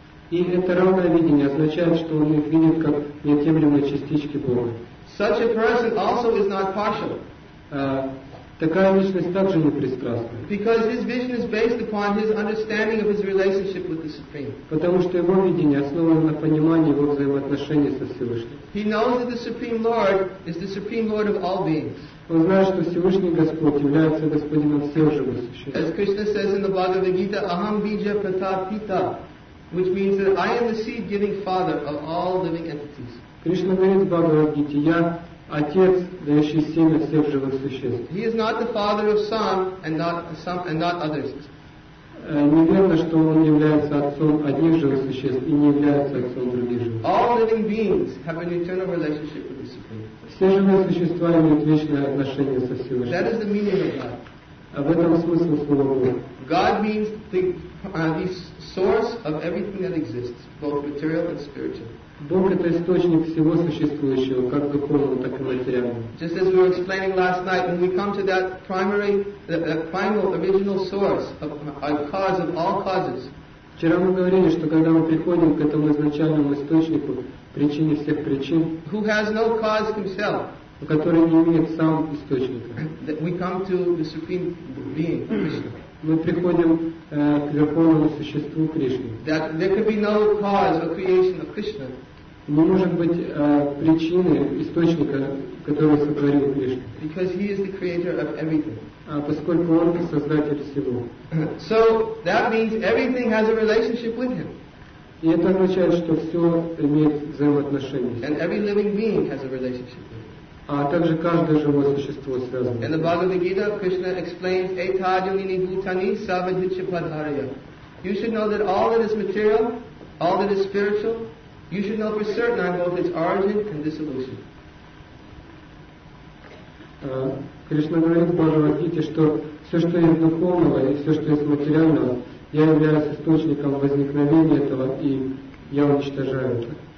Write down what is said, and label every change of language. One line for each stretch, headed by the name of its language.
Russian: И это равное видение означает, что он их видит как неотъемлемые частички Бога.
English: Such a person also is not partial.
Russian: Такая личность также не пристрастна.
English: Because his vision is based upon his understanding of his relationship with the Supreme.
Russian: Потому что его видение основано на понимании его взаимоотношений со Всевышним.
English: He knows that the Supreme Lord is the Supreme Lord of all beings.
Russian: Он знает, что Всевышний Господь является Господином всех живых существ.
English: As Krishna says in the Bhagavad Gita, Aham Bija Pratha Pita, which means that I am the seed-giving father of all living entities.
Russian: Кришна говорит в Бхагавад Гите, я Отец, дающий семя всех живых существ.
English: He is not the father of some and not others.
Russian: Неверно, что он является отцом одних живых существ и не является отцом других живых.
English: All living beings have an eternal relationship with the Supreme.
Russian: Все живые существа имеют вечное отношение со Всевышним.
English: That is the meaning of God.
Russian: Об этом смысл слова Бога.
English: God means the source of everything that exists, both material and spiritual.
Russian: Бог — это источник всего существующего, как духовного, так и материального.
English: Just as we were explaining last night, when we come to that primary, that primal, original source of cause of all causes.
Russian: Вчера мы говорили, что когда мы приходим к этому изначальному источнику, причине всех причин.
English: Who has no cause himself?
Russian: Который не имеет сам источника.
English: That we come to the supreme being, Krishna.
Russian: Мы приходим к верховному существу Кришне.
English: That there could be no cause or creation of Krishna.
Russian: Не может быть причины источника который сотворил Кришну.
English: Because he is the creator of everything.
Russian: Поскольку он создатель всего.
English: So that means everything has a relationship with him.
Russian: И это означает, что все имеет взаимоотношения.
English: And every living being has a relationship with him.
Russian: Также каждое живое существо связано.
English: In the Bhagavad Gita, Krishna explains,
Sanskrit: "Etajyamini bhutani savadhicha padharaya."
English: You should know that all that is material, all that is spiritual, you should know for certain on both its origin and dissolution.
Russian: Кришна говорит в Бхагавад Гите, что все, что есть духовного и все, что есть материального, я являюсь источником возникновения этого, и я уничтожаю это.